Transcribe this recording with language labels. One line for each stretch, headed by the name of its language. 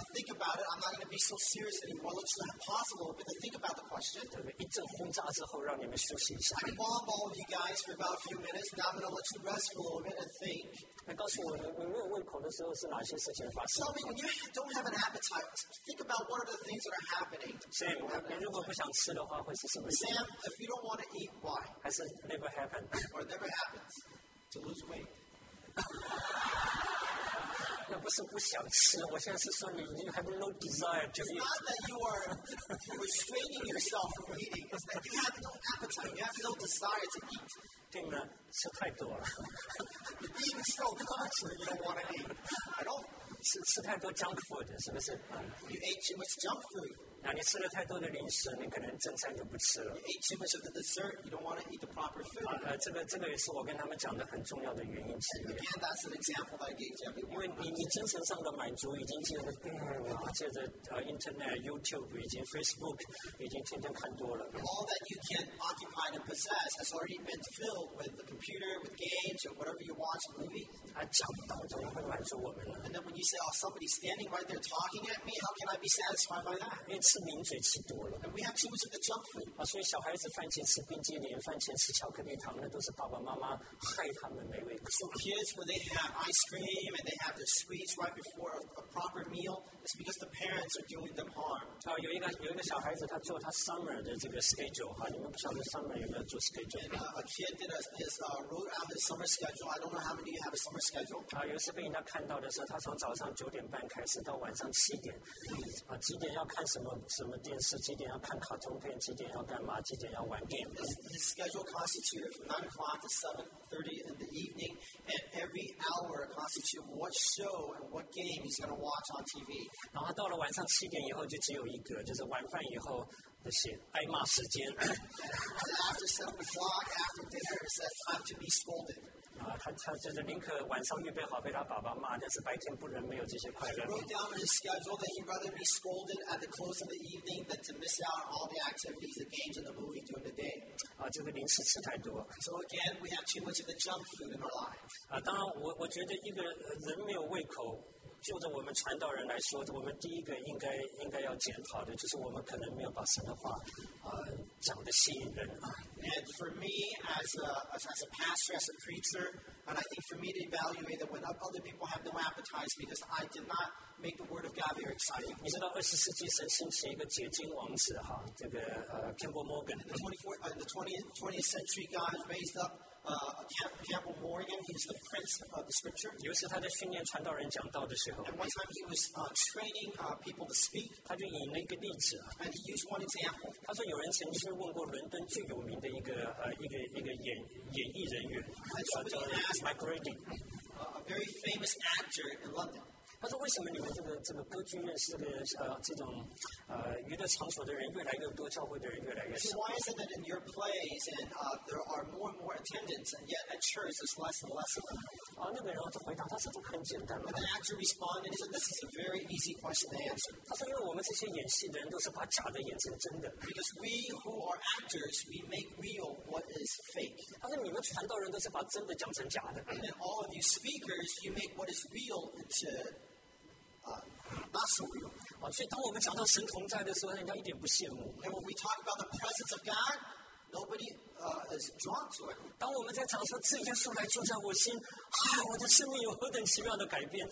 English: I think about it. I'm not going to be so serious anymore. Let's not possible, but to think about the question.
Chinese: 对不对？一阵轰炸之后，让你们休息一下。
English: I bomb all of you guys for about a few minutes. Now I'm going to let you rest for a little bit and think.
Chinese: 那告诉我，你没有胃口的时候是哪些事情发生
English: ？Tell me when you don't have an appetite. Think about what are the things that are happening.
Chinese: Sam, 你如果不想吃的话，会是什么
English: ？Sam, if you don't want to eat, why?
Chinese: 还是
English: never happen. Or never happens to lose weight.
Chinese: 那不是不想吃，我现在是说你
English: you have no desire to eat. It's not that you are restraining yourself from eating. It's that you have no appetite. You have no desire to eat.
Chinese: 定了，吃太多了。
English: Being so conscious, you don't want to eat. I don't.
Chinese: 吃太多 junk food 是不是
English: ？You ate too much junk food.
Chinese: 那你吃了太多的零食，你可能正餐就不吃了。
English: You ate too much of the dessert. You don't want to eat the proper food.
Chinese: 啊，这个也是我跟他们讲的很重要的原因之一。
English: Again, that's an example that I gave you.
Chinese: 因为你精神上的满足已经借着internet, YouTube, 已经 Facebook, 已经天天看多了。
English: All that you can occupy and possess has already been filled with the computer, with games, or whatever you watch, movie.
Chinese: 啊，讲道怎么会满足我们呢
English: ？And then when you say, "Oh, somebody standing right there talking at me, how can I be satisfied by that?"
Chinese: 吃零嘴吃多了
English: ，and we have too much of the junk food.
Chinese: 啊，所以小孩子饭前吃冰激凌，饭前吃巧克力糖，那都是爸爸妈妈害他们没胃口。
English: So kids, when they have ice cream and they have their sweets right before a proper meal, it's because the parents are doing them harm.
Chinese: 啊，有一个小孩子他做他 summer 的这个 schedule 哈，你们不晓得 summer 有没有做 schedule？
English: And, a kid did wrote out his summer schedule. I don't know how many of you have a summer schedule.
Chinese: 啊，有一次被人家看到的时候，他从早上9:30开始到晚上7点，啊，几点要看什么？什么电视？几点要看卡通片？几点要干嘛？几点要玩 game？
English: His schedule constituted from 9:00 to 7:30 in the evening, and every hour constituted what show and what game he's going to watch on TV.
Chinese: 然后到了晚上7点以后，就只有一个，就是晚饭以后那些挨骂时间。
English: After 7:00, after dinner, it's time to be scolded.
Chinese: 啊，他就是宁可晚上预备好被他爸爸骂，但是白天不能没有这些快乐。
English: He wrote down in his schedule that he'd rather be scolded at the close of the evening than to miss out on all the activities, the games, and the movie during the day.
Chinese: 啊，这个零食吃太多。
English: So again, we have too much of the junk food in our lives.
Chinese: 啊，当然，我觉得一个人没有胃口，就着我们传道人来说，我们第一个应该要检讨的，就是我们可能没有把神的话，讲得吸引人啊。
English: And for me, as a pastor, as a preacher, and I think for me to evaluate that when other people have no appetite because I did not make the Word of God very exciting.
Chinese: 你知道二十世纪神兴起一个解经王子哈，这个Campbell Morgan.
English: In the 20th century, God raised up. Campbell Morgan, he's the prince of the scripture.
Chinese: 有一次他在训练传道人讲道的时候
English: ，and one time he was training people to speak.
Chinese: 他就引了一个例子
English: ，and he used one example.
Chinese: 他说有人曾经问过伦敦最有名的一个演艺人员，叫 Mike Reading,
English: a very famous actor in London.
Chinese: 他说为什么你们这个歌剧院是这种娱乐场所的人越来越多，教会的人越来越少。
English: So why is it that in your plays and there are more and more attendants, and yet at church there's less and less of them?
Chinese: 啊，那个人就回答，他说这很简单。
English: But the actor responded and said, "This is a very easy question to answer."
Chinese: 他说，因为我们这些演戏的人都是把假的演成真的。
English: Because we who are actors, we make real what is fake.
Chinese: 他说，你们传道人都是把真的讲成假的。
English: And then all of you speakers, you make what is real into not so real.
Chinese: 所以当我们讲到神同在的时候，人家一点不羡慕。
English: And when we talk about the presence of God, nobody is drawn to it.
Chinese: 当我们在讲说这耶稣来住在我心，我的生命有何等奇妙的改变。